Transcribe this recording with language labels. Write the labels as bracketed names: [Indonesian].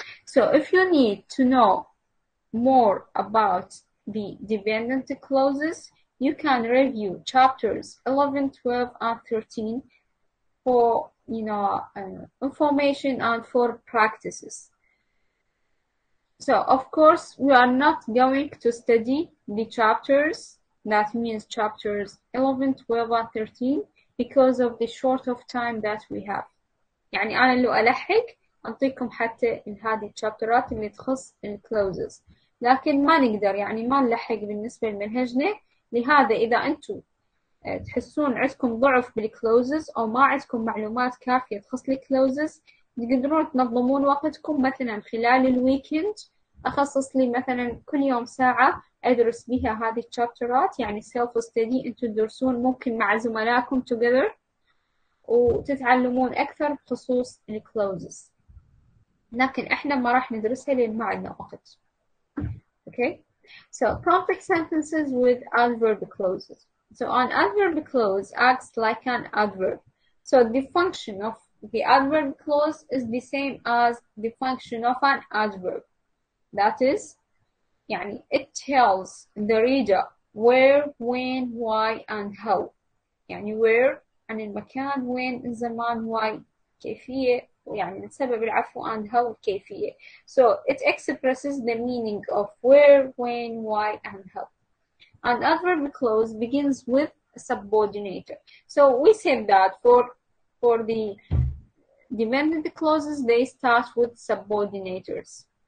[English] So if you need to know more about the dependent clauses, you can review chapters 11, 12, and 13 for, you know, information and for practices. So of course we are not going to study the chapters, that means chapters 11, 12, and 13, because of the short of time that we have. [Arabic] يعني أنا لو ألحق أعطيكم حتى هذه الشابترات اللي تخص الكلوزز، لكن ما نقدر يعني ما نلحق بالنسبة لمنهجنا. لهذا إذا أنتم تحسون عندكم ضعف بالكلوزز أو ما عندكم معلومات كافية تخص الكلوزز، تقدرون تنظمون وقتكم مثلا خلال الويكند، أخصص لي مثلا كل يوم ساعة أدرس بها هذه الشابترات، يعني سيلف ستدي، أنتم تدرسون ممكن مع زملائكم توجذر وتتعلمون أكثر بخصوص الكلوزز، لكن إحنا ما راح ندرسها لأن ما عندنا وقت. [English] Okay, so perfect sentences with adverb clauses. So an adverb clause acts like an adverb. So the function of the adverb clause is the same as the function of an adverb. That is, يعني it tells the reader where, when, why, and how. [Arabic] يعني where عن المكان، when الزمان، why كيفية، يعني السبب العفو، and how كيفية. [English] So it expresses the meaning of where, when, why, and how. An adverb clause begins with a subordinator. So we said that for the dependent clauses, they start with subordinators.